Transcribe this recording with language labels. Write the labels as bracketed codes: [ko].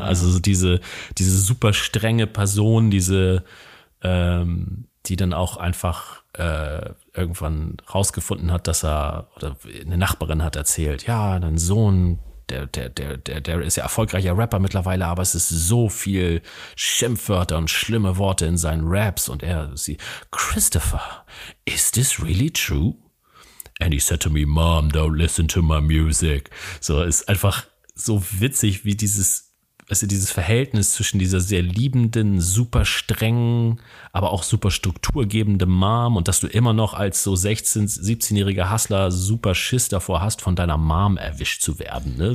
[de] Also diese super strenge Person, die dann auch einfach irgendwann rausgefunden hat, dass er, oder eine Nachbarin hat erzählt, ja, dein Sohn, der ist ja erfolgreicher Rapper mittlerweile, aber es ist so viel Schimpfwörter und schlimme Worte in seinen Raps. Und [en] Christopher, is this really true? And he said to me, Mom, don't listen to my music. [de] So, ist einfach so witzig, wie dieses Verhältnis zwischen dieser sehr liebenden, super strengen, aber auch super strukturgebenden Mom und dass du immer noch als so 16, 17-jähriger Hustler super Schiss davor hast, von deiner Mom erwischt zu werden, ne?